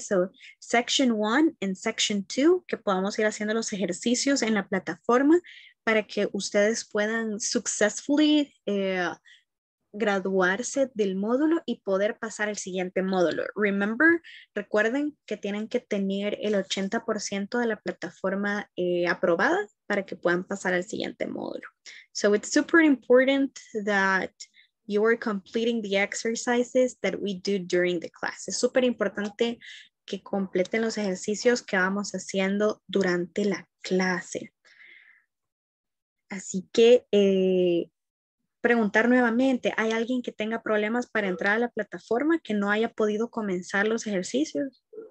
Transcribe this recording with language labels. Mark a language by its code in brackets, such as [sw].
[en] So, section 1 and section 2, [es] que podamos ir haciendo los ejercicios en la plataforma para que ustedes puedan successfully graduarse del módulo y poder pasar al siguiente módulo. Remember, recuerden que tienen que tener el 80% de la plataforma aprobada para que puedan pasar al siguiente módulo. [en] So it's super important that you are completing the exercises that we do during the class. [es] Es súper importante que completen los ejercicios que vamos haciendo durante la clase. Así que preguntar nuevamente, ¿hay alguien que tenga problemas para entrar a la plataforma que no haya podido comenzar los ejercicios?